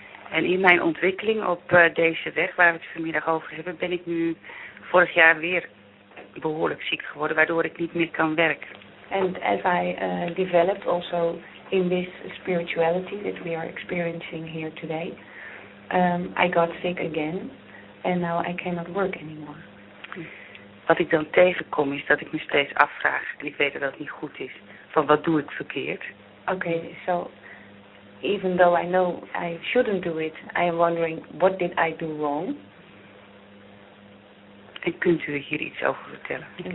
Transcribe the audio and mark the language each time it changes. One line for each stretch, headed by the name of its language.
Dutch: En in mijn ontwikkeling op deze weg waar we het vanmiddag over hebben, ben ik nu vorig jaar weer behoorlijk ziek geworden, waardoor ik niet meer kan werken.
English: And as I developed also in this spirituality that we are experiencing here today, I got sick again and now I cannot work anymore.
Dutch: Wat ik dan tegenkom is dat ik me steeds afvraag, en ik weet dat het niet goed is, van wat doe ik verkeerd?
English: Okay, so even though I know I shouldn't do it, I am wondering, what did I do wrong?
Dutch: En kunt u hier iets over vertellen?